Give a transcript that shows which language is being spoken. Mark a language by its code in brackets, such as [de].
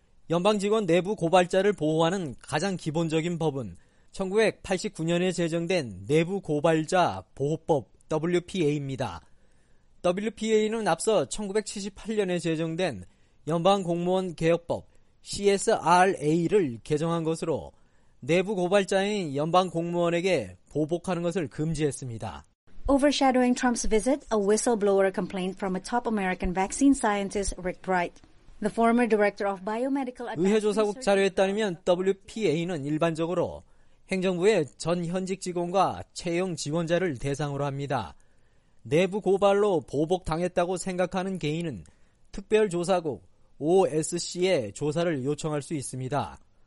[ko] 연방직원 내부 고발자를 보호하는 가장 기본적인 법은 1989년에 제정된 내부 고발자 보호법 WPA입니다. WPA는 앞서 1978년에 제정된 연방공무원 개혁법 CSRA를 개정한 것으로 내부 고발자인 연방 공무원에게 보복하는 것을 금지했습니다. [en] Overshadowing Trump's visit, a whistleblower complained from a top American vaccine scientist Rick Bright. The former director of biomedical [ko] 의회 조사국 자료에 따르면 WPA는 일반적으로 행정부의 전 현직 직원과 채용 지원자를 대상으로 합니다. 내부 고발로 보복 당했다고 생각하는 개인은 특별조사국 OSC에 조사를 요청할 수 있습니다.